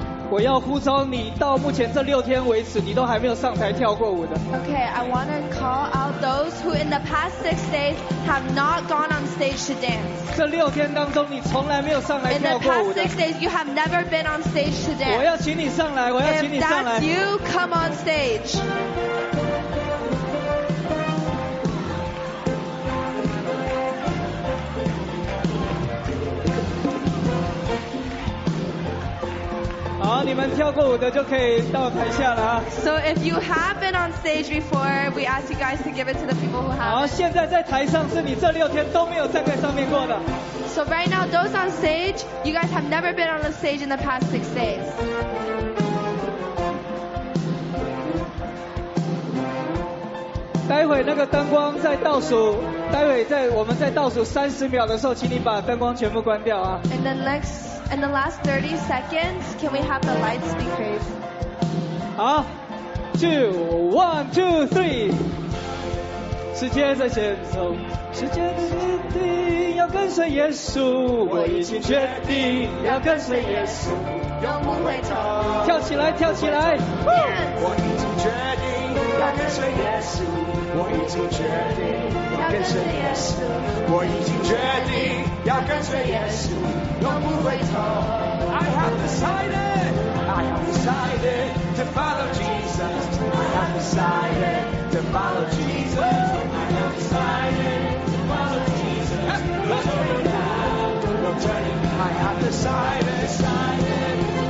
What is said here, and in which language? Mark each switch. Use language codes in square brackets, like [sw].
[zh] 我要呼召你到目前这六天为止你都还没有上台跳过舞的 [en] Okay, I want to call out those who in the past 6 days have not gone on stage to dance [zh] 这六天当中你从来没有上来跳过舞的 [en] In the past 6 days you have never been on stage to dance [zh] 我要请你上来我要请你上来 [en] If that's you, come on stage [zh] 你们跳过舞的就可以到台下了啊。 [en] So if you have been on stage before, we ask you guys to give it to the people who have. [zh] 好，现在在台上是你这六天都没有站在上面过的。 [en] So right now, those on stage, you guys have never been on the stage in the past 6 days. [zh] 待会那个灯光在倒数。待会在我们在倒数三十秒的时候，请你把灯光全部关掉啊。 [en] And then next, in the last 30 seconds, can we have the lights be crazy? 好，two, one, two, three. [zh] 时间在前走，时间决定要跟随耶稣。我已经决定要跟随耶稣，永不回头。跳起来，跳起来！ [en] Yes. [zh] 我已经决定要跟随耶稣。我已经决定。跟随耶稣我已经决定要跟随耶稣永不回头 [en] I have decided I have decided to follow Jesus I have decided to follow Jesus I have decided to follow Jesus No turning back No turning back I have decided